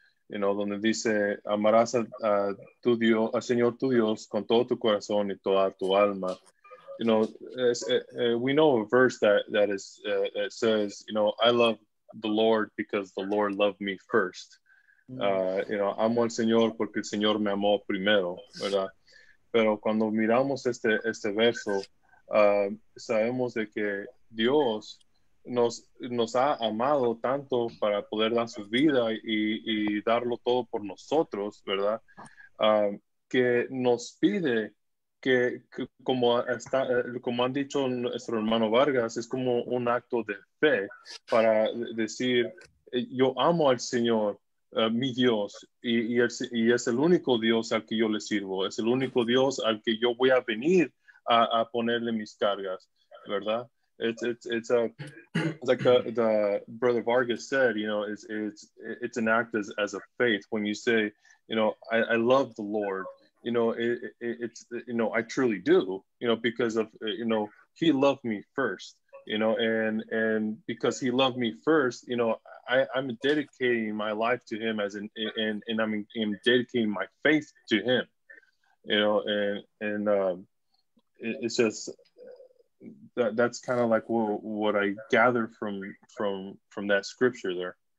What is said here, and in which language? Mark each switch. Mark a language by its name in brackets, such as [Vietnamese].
[Spanish] You know, donde dice, amarás a Señor tu Dios con todo tu corazón y toda tu alma. [English] You know, we know a verse that says, you know, I love the Lord because the Lord loved me first. [Spanish] You know, amo al Señor porque el Señor me amó primero, ¿verdad? Pero cuando miramos este verso, sabemos de que Dios nos ha amado tanto para poder dar su vida y darlo todo por nosotros, ¿verdad? Que nos pide que como han dicho nuestro hermano Vargas, es como un acto de fe para decir, yo amo al Señor, mi Dios, y es el único Dios al que yo le sirvo, es el único Dios al que yo voy a venir a ponerle mis cargas, ¿verdad? [English] It's like the brother Vargas said, you know, it's an act as a faith when you say, you know, I love the Lord, you know, it's, you know, I truly do, you know, because of, you know, he loved me first, you know, and because he loved me first, you know, I'm dedicating my life to him and I'm dedicating my faith to him, you know, it's just, that's kind of like what I gather from that scripture there.